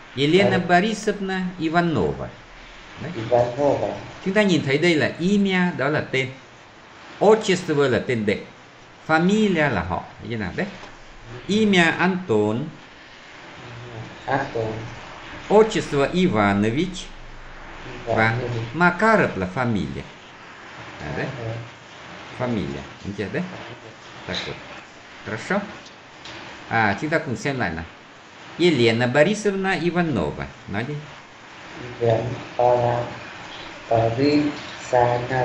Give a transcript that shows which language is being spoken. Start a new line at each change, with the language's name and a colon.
Russian: Елена Борисовна Иванова. Иванова.
Vietnamese: Chúng ta nhìn thấy đây là имя, đó là tên. Отчество là tên đệ. Фамилия là họ. Như nào đấy?
Russian: Имя Антон. Антон. Отчество Иванович.
Vietnamese: Và Макаров là фамилия. À, đấy. Фамилия. Đúng chưa đấy?
Russian: Так вот. Хорошо.
Vietnamese: À, chúng ta cùng xem lại nào.
Russian: Елена Борисовна Иванова.
Vietnamese: Nói đi.
Russian: Елена Борисовна Иванова.